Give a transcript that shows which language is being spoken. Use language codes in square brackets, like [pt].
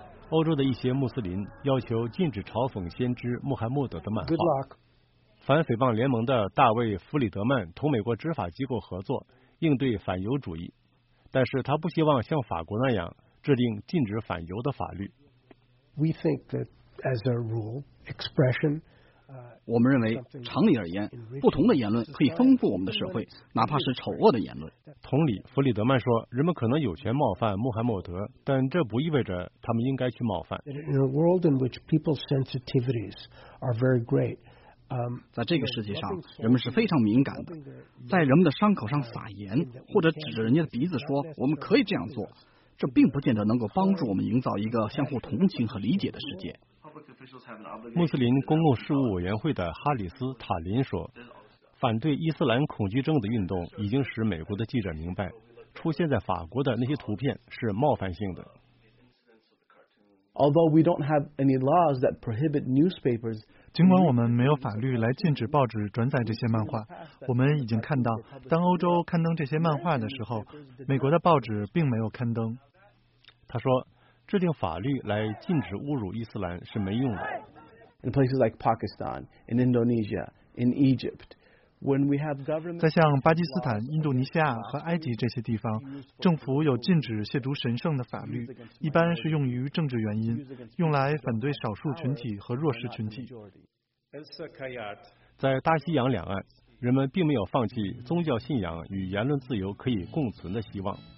[zh] 欧洲的一些穆斯林要求禁止嘲讽先知穆罕默德的漫画。反诽谤联盟的大卫·弗里德曼同美国执法机构合作应对反犹主义，但是他不希望像法国那样制定禁止反犹的法律。 [en] We think that as a rule, expression, [zh] 我们认为常理而言，不同的言论可以丰富我们的社会，哪怕是丑恶的言论。同理，弗里德曼说，人们可能有权冒犯穆罕默德，但这不意味着他们应该去冒犯。 [en] In a world in which people's sensitivities are very great, [zh] 在这个世界上人们是非常敏感的，在人们的伤口上撒盐或者指着人家的鼻子说我们可以这样做，这并不见得能够帮助我们营造一个相互同情和理解的世界。穆斯林公共事务委员会的哈里斯·塔林说，反对伊斯兰恐惧症的运动已经使美国的记者明白，出现在法国的那些图片是冒犯性的。尽管我们没有法律来禁止报纸转载这些漫画，我们已经看到当欧洲刊登这些漫画的时候，美国的报纸并没有刊登。他说，制定法律来禁止侮辱伊斯兰是没用的。 [en] In places like Pakistan, in Indonesia, in Egypt, when we have government, [zh] 在像巴基斯坦、印度尼西亚和埃及这些地方，政府有禁止亵渎神圣的法律，一般是用于政治原因，用来反对少数群体和弱势群体。在大西洋两岸，人们并没有放弃宗教信仰与言论自由可以共存的希望。